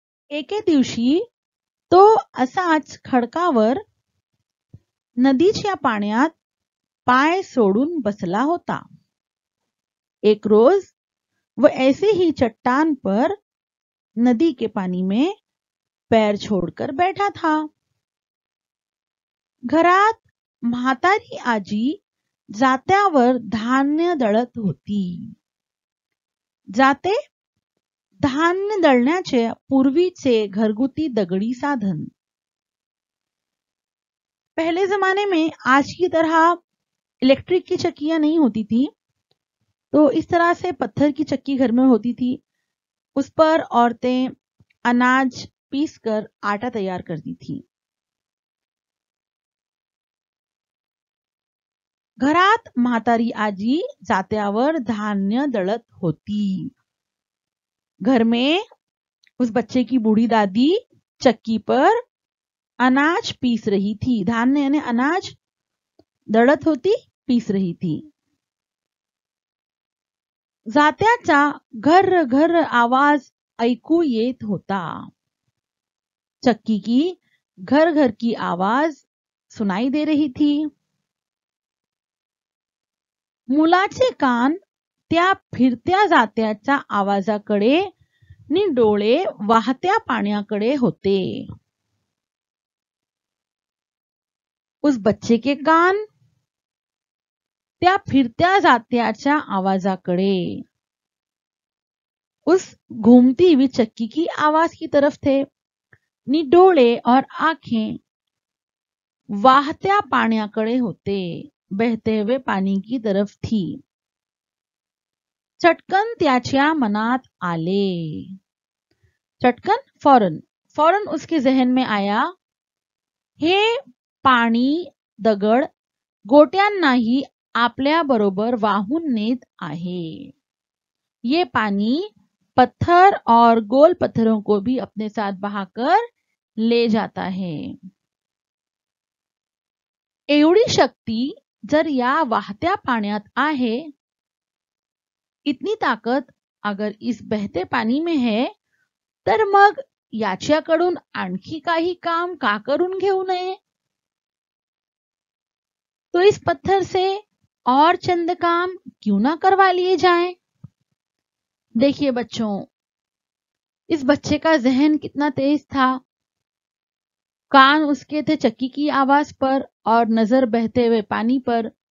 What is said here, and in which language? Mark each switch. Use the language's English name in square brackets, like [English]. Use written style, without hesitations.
[Marathi] एके दिवशी तो असाच खडकावर नदीच्या पाण्यात पाय सोडून बसला होता. [Hindi] एक रोज वो ऐसे ही चट्टान पर नदी के पानी में पैर छोड़कर बैठा था. [Marathi] घरात म्हातारी आजी जात्यावर धान्य दळत होती. जाते धान्य दळण्याचे पूर्वीचे घरगुती दगडी साधन. [Hindi] पहले जमाने में आज की तरह इलेक्ट्रिक की चक्कियां नहीं होती थी, तो इस तरह से पत्थर की चक्की घर में होती थी. उस पर औरतें अनाज पीसकर आटा तैयार करती थी. [Marathi] घरात म्हातारी आजी जात्यावर धान्य दळत होती। [Hindi] घर में उस बच्चे की बूढ़ी दादी चक्की पर अनाज पीस रही थी, धान यानी अनाज [Marathi] दळत होती, [Hindi] पीस रही थी। [Marathi] जात्याचा घर घर आवाज ऐकू येत होता। [Hindi] चक्की की घर घर की आवाज सुनाई दे रही थी। [Marathi] मुलाचे कान त्या फिरत्या जात्याच्या आवाजाकडे नी डोळे वाहत्या पाण्याकडे होते। [Hindi] उस बच्चे के कान [Marathi] त्या फिरत्या जात्याच्या आवाजाकडे [Hindi] उस घूमती हुई चक्की की आवाज की तरफ थे। [Marathi] नी डोळे [Hindi] और आंखें [Marathi] वाहत्या पाण्याकडे होते, [Hindi] बहते हुए पानी की तरफ थी। [Marathi] चटकन त्याच्या मनात आले, चटकन [Hindi] फौरन, फौरन उसके जहन में आया, [Marathi] हे पानी दगड गोट्यांनाही आपल्या बरोबर वाहून नेत आहे। [Hindi] ये पानी पत्थर और गोल पत्थरों को भी अपने साथ बहाकर ले जाता है। [Marathi] एवढी शक्ति जर या वाहत्या पाण्यात आहे, [Hindi] इतनी ताकत अगर इस बहते पानी में है, [Marathi] तर मग याच्याकडून आणखी काही काम का करून घेऊ नये? [Hindi] तो इस पत्थर से और चंद काम क्यों ना करवा लिए जाए? देखिए बच्चों, इस बच्चे का जहन कितना तेज था, कान उसके थे चक्की की आवाज पर और नजर बहते हुए पानी पर।